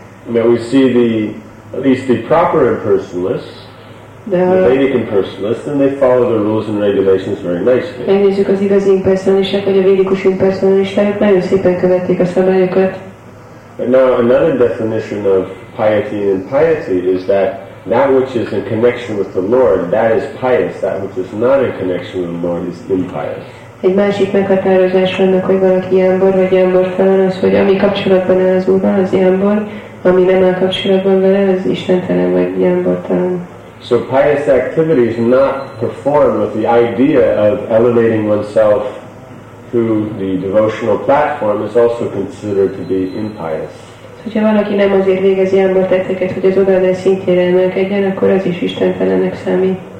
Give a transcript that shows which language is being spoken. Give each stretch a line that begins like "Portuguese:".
English: Now we see the at least the proper impersonalists, the Vedic impersonalists, and they follow the rules and regulations very nicely.
Hungarian: Megnézzük az igazi impersonalisták, vagy a védikus impersonalisták, nagyon szépen követik a szabályokat.
English: But now another definition of piety and impiety is that that which is in connection with the Lord, that is pious. That which is not in connection with the Lord is impious.
Hungarian: Egy másik meghatározás annak, hogy valaki jámbor vagy jámbortalan, az, hogy ami kapcsolatban áll az Úrral, az jámbor, ami nem áll kapcsolatban vele, az istentelen vagy jámbortalan.
English: So pious activity is not performed with the idea of elevating oneself through the devotional platform is also considered to be impious.
Hungarian: Hogyha valaki nem azért végezi jámbortetteket, hogy az odaadás szintjére emelkedjen, akkor az is istentelennek számít.